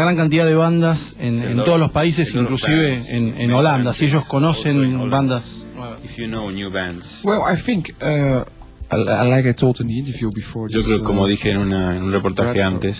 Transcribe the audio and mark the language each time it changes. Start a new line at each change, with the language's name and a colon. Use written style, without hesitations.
Spanish: gran cantidad de bandas en todos los países, inclusive en Holanda. Si ellos conocen bandas.
English: If you know new bands. Well, I think, like I told in the interview before.
Spanish: Yo creo, como dije en un reportaje antes.